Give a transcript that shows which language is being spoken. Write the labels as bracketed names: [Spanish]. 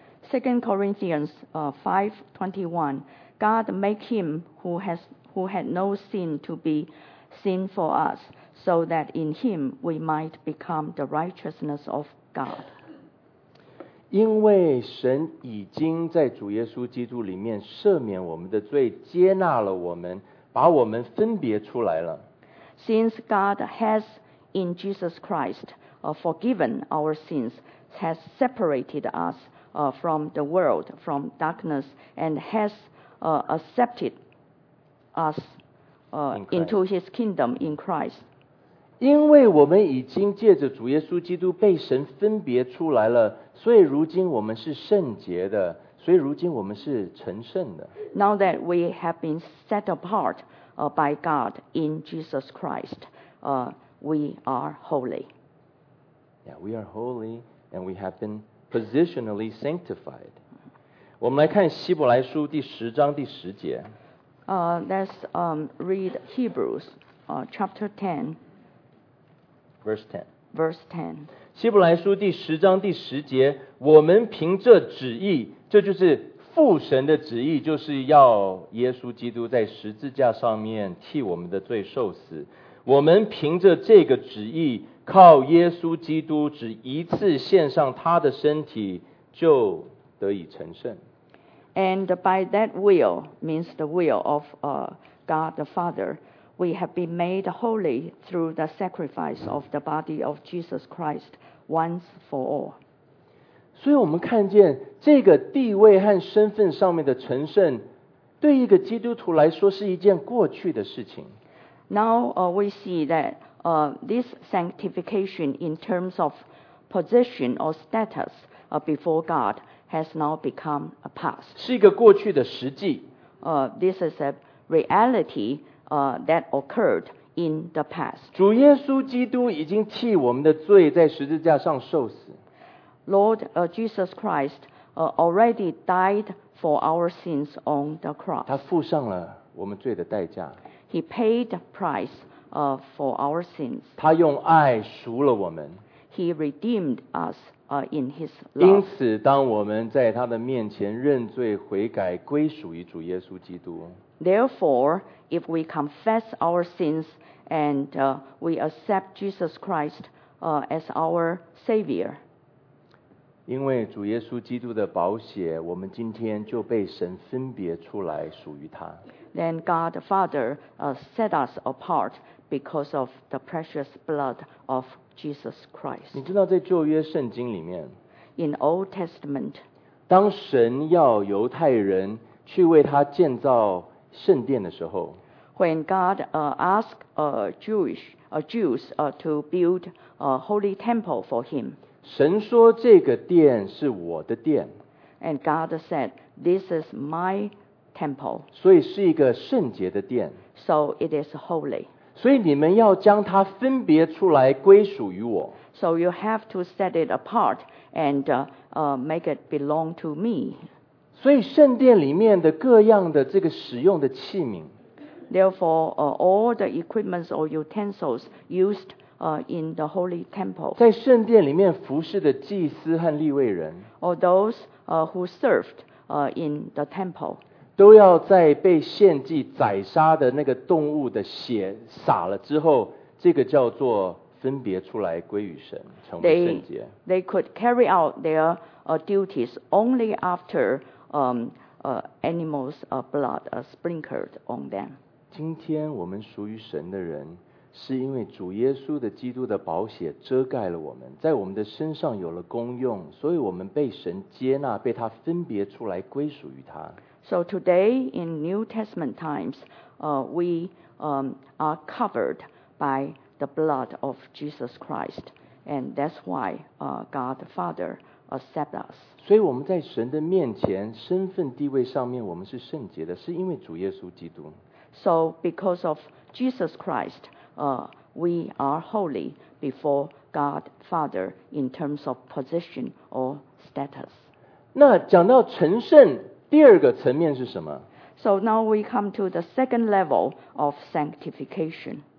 [English] 2 Corinthians 5:21, God make him who had no sin to be sin for us, so that in him we might become the righteousness of God. [Chinese] 因为神已经在主耶稣基督里面赦免我们的罪，接纳了我们，把我们分别出来了。 [English] Since God has in Jesus Christ forgiven our sins, has separated us. From the world, from darkness, and has accepted us into His kingdom in Christ. [Chinese] 因为我们已经借着主耶稣基督被神分别出来了，所以如今我们是圣洁的，所以如今我们是成圣的。 [English] Now that we have been set apart by God in Jesus Christ, we are holy. Yeah, we are holy, and we have been. Positionally sanctified. [Chinese] 我们来看希伯来书第十章第十节。 [English] Let's read Hebrews chapter 10. Verse 10. [Chinese] 希伯来书第十章第十节，我们凭这旨意，这就是父神的旨意，就是要耶稣基督在十字架上面替我们的罪受死。我们凭着这个旨意。靠耶稣基督只一次献上他的身体就得以成圣。 [English] And by that will means the will of God the Father, we have been made holy through the sacrifice of the body of Jesus Christ once for all. [Chinese] 所以我们看见这个地位和身份上面的成圣，对一个基督徒来说是一件过去的事情。 [English] Now we see thatThis sanctification in terms of position or status before God has now become a past. [Chinese] 是一个过去的实际。 [English] this is a reality that occurred in the past. [Chinese] 主耶稣基督已经替我们的罪在十字架上受死。 [English] Lord Jesus Christ already died for our sins on the cross. [Chinese] 他付上了我们罪的代价。 [English] He paid the price for our sins. [Chinese] 他用爱赎了我们。 [English] He redeemed us in His love. [Chinese] 因此，当我们在他的面前认罪悔改，归属于主耶稣基督。 [English] Therefore, if we confess our sins and we accept Jesus Christ as our Savior. [Chinese] 因为主耶稣基督的宝血，我们今天就被神分别出来，属于他。 [English] Then God the Father set us apart because of the precious blood of Jesus Christ. [Chinese] 你知道在旧约圣经里面 [English] In Old Testament, [Chinese] 当神要犹太人去为他建造圣殿的时候 [English] When God asked Jews to build a holy temple for him, [Chinese] 神说这个殿是我的殿 [English] And God said, this is my temple. [Chinese] 所以是一个圣洁的殿 [English] So it is holy [Chinese] 所以你们要将它分别出来归属于我 [English] So you have to set it apart and make it belong to me [Chinese] 所以圣殿里面的各样的这个使用的器皿 [English] Therefore all the equipments or utensils used in the holy temple [Chinese] 在圣殿里面服侍的祭司和利未人 [English] Or those who served in the temple [Chinese] 都要在被献祭宰杀的那个动物的血洒了之后，这个叫做分别出来归于神，成为圣洁。 [English] They could carry out their duties only after animals' blood sprinkled on them. [Chinese] 今天我们属于神的人，是因为主耶稣的基督的宝血遮盖了我们，在我们的身上有了功用，所以我们被神接纳，被他分别出来归属于他。 [English] So today in New Testament times, we are covered by the blood of Jesus Christ, and that's why God the Father accept us. [Chinese] 所以我们在神的面前，身份地位上面，我们是圣洁的，是因为主耶稣基督。 [English] So because of Jesus Christ, we are holy before God the Father in terms of position or status. [Chinese] 那讲到成圣。第二个层面是什么 [English] So now we come to the second level of sanctification.